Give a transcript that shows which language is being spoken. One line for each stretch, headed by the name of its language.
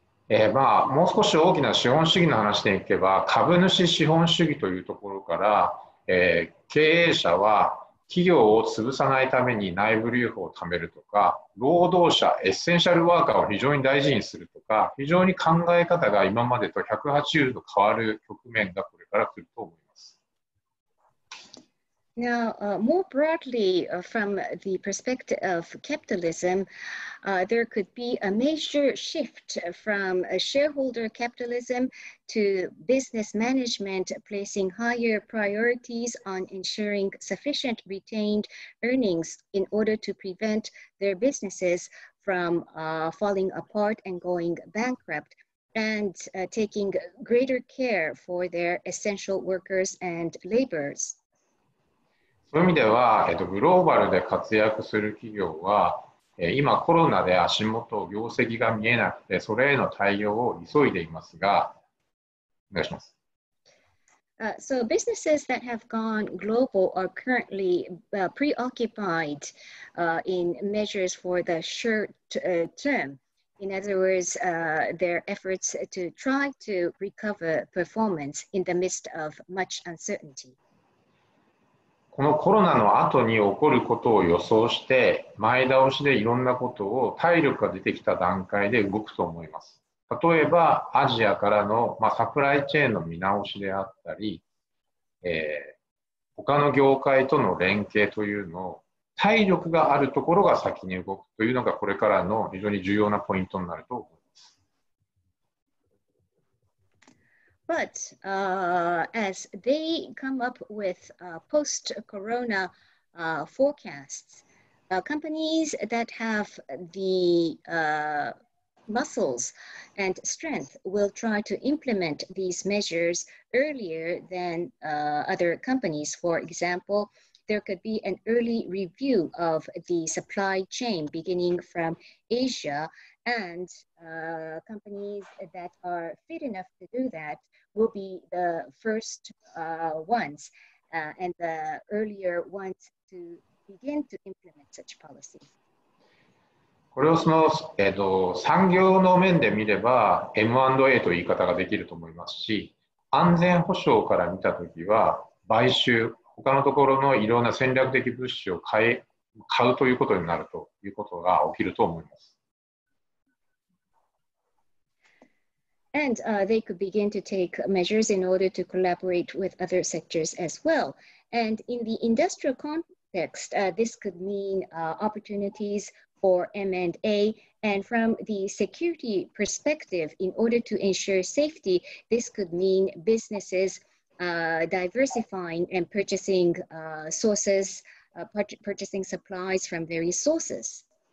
Japanese: もう少し大きな資本主義の話でいけば、株主資本主義というところから、経営者は企業を潰さないために内部留保を貯めるとか、労働者、エッセンシャルワーカーを非常に大事にするとか、非常に考え方が今までと180度変わる局面がこれから来ると思います。
English: Now, more broadly, from the perspective of capitalism, there could be a major shift from a shareholder capitalism to business management, placing higher priorities on ensuring sufficient retained earnings in order to prevent their businesses from falling apart and going bankrupt, and taking greater care for their essential workers and laborers.
Japanese: そういう意味では、グローバルで活躍する企業は、今コロナで足元、業績が見えなくて、それへの対応を急いでいますが、お願いします。
English: So businesses that have gone global are currently preoccupied in measures for the short term. In other words, their efforts to try to recover performance in the midst of much uncertainty.
Japanese: このコロナの後に起こることを予想して、前倒しでいろんなことを体力が出てきた段階で動くと思います。例えばアジアからの、サプライチェーンの見直しであったり、他の業界との連携というのを体力があるところが先に動くというのがこれからの非常に重要なポイントになると思います。
English: But、as they come up with、post-corona、forecasts、companies that have the、muscles and strength will try to implement these measures earlier than、other companies. For example,There could be an early review of the supply chain beginning from Asia, and、companies that are fit enough to do that will be the first ones、and the earlier ones to begin to implement such policy.
Japanese: これをその、産業の面で見れば M&A という言い方ができると思いますし、安全保障から見たときは買収、他のところのいろんな戦略的物資を買うということになるということが起きると思います。
English: And、they could begin to take measures in order to collaborate with other sectors as well. And in the industrial context,、this could mean、opportunities for M&A. And from the security perspective, in order to ensure safety, this could mean businessesdiversifying and purchasing sources, purchasing supplies from various sources.